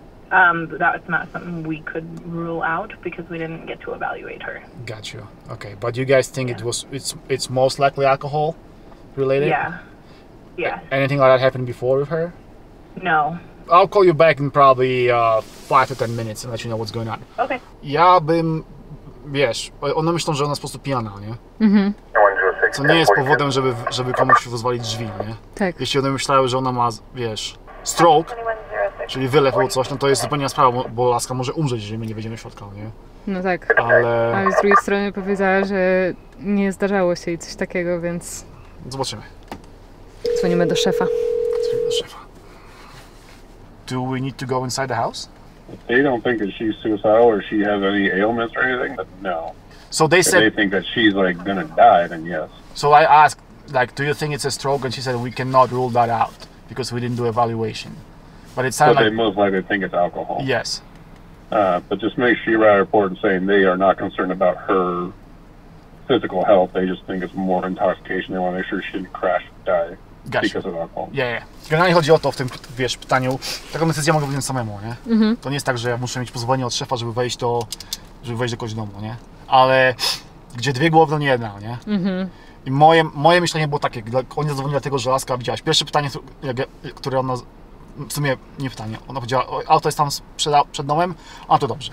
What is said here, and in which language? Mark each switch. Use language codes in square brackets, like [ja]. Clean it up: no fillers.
[en] That's not something we could rule out because we didn't get to evaluate her. Got you. Okay, but you guys think it's most likely alcohol related? Yeah. Yeah. Anything like that happened before with her? No. I'll call you back in probably 5 to 10 minutes and let you know what's going on. Okay. [pl] Ja bym, wiesz, ona myślą, że ona jest po prostu pijana, nie? Mhm. Co nie jest powodem, żeby komuś rozwalić drzwi, nie? Tak. Jeśli one myślały, że ona ma, wiesz, stroke, czyli wylew albo coś, no to jest zupełnie sprawa, bo laska może umrzeć, jeżeli my nie wejdziemy w środka, nie? No tak. Ale z drugiej strony powiedziała, że nie zdarzało się jej coś takiego, więc... Zobaczymy. Dzwonimy do szefa. [en] Do we need to go inside the house? They don't think that she's suicidal or she has any ailments or anything, but no. So they said, if they think that she's like gonna die, then yes. So I asked, like, do you think it's a stroke? And she said, we cannot rule that out because we didn't do evaluation. But it sounded so like they most likely think it's alcohol. Yes. But just make sure you write a report saying they are not concerned about her physical health. They just think it's more intoxication. They want to make sure she didn't crash and die. Gotcha. Yeah, yeah. [pl] Generalnie chodzi o to w tym, wiesz, pytaniu. Taką decyzję mogę wziąć samemu, nie? Mm-hmm. To nie jest tak, że ja muszę mieć pozwolenie od szefa, żeby wejść do kogoś domu, nie? Ale gdzie dwie głowy, no nie jedna, nie? Mm-hmm. I moje myślenie było takie, oni zadzwonili dlatego, że laska widziałaś. Pierwsze pytanie, które ona, w sumie nie pytanie, ona powiedziała, auto jest tam przed domem, a to dobrze.